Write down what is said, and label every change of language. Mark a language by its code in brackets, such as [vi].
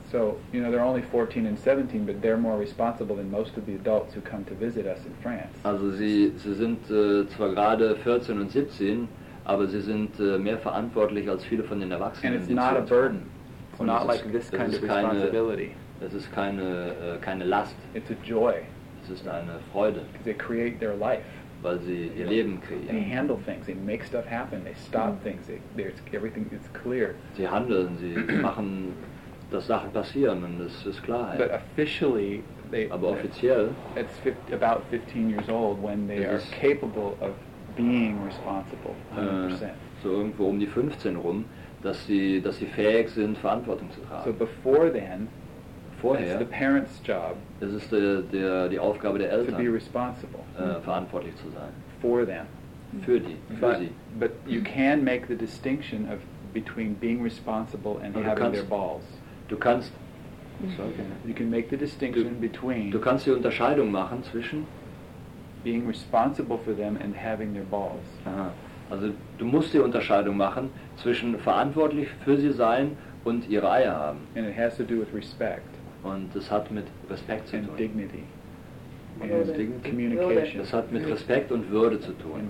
[en] So, you know, they're only 14 and 17, but they're more responsible than most of the adults who come to visit us in France. [de] Also sie sind zwar gerade 14 und 17, aber sie sind mehr verantwortlich als viele von den Erwachsenen. [en] And it's not a burden. Und not like this kind of responsibility. [de] Es ist keine Last. [en] It's a joy. [de] Es ist eine Freude. [en] They create their life. [de] weil sie ihr Leben kreieren. [en] They handle things, they make stuff happen, they stop things, everything is clear. [de] Sie handeln, sie machen, dass Sachen passieren und es ist Klarheit. [en] But officially, it's about 15 years old when they are capable of being responsible 100%. [de] So irgendwo um die 15 rum, dass sie fähig sind, Verantwortung zu tragen. [en] So before then, [de] vorher, [en] it's the parents' job. [de] Es ist die Aufgabe der Eltern, [en] to be responsible. [de] Verantwortlich zu sein. [en] For them. [de] Für sie. [en] But you can make the distinction of between being responsible and [de] du [en] having [de] kannst, [en] their balls. [de] Du kannst [en] You can make the distinction between. [de] Du kannst die Unterscheidung machen zwischen [en] being responsible for them and having their balls. [de] Also du musst die Unterscheidung machen zwischen verantwortlich für sie sein und ihre Eier haben. [en] And it has to do with respect. [de] Und es hat mit Respekt zu tun. [en] And dignity. And communication. [de] Es hat mit Respekt und Würde zu tun.